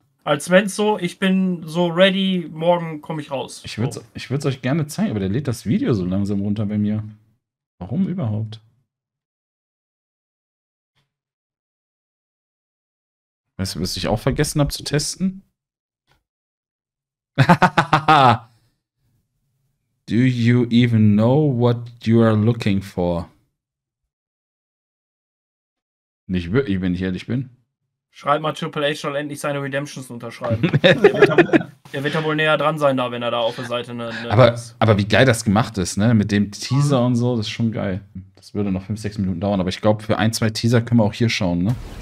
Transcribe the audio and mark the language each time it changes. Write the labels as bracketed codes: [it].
[de] Als wenn es so, ich bin so ready, morgen komme ich raus. Ich würde es euch gerne zeigen, aber der lädt das Video so langsam runter bei mir. Warum überhaupt? Weißt du, was ich auch vergessen habe zu testen? [en] Do you even know what you are looking for? [de] Nicht wirklich, wenn ich ehrlich bin. Schreib mal, Triple H soll endlich seine Redemptions unterschreiben. Der wird ja wohl näher dran sein, da, wenn er da auf der Seite aber wie geil das gemacht ist, ne? Mit dem Teaser und so, das ist schon geil. Das würde noch 5-6 Minuten dauern, aber ich glaube, für 1-2 Teaser können wir auch hier schauen, ne?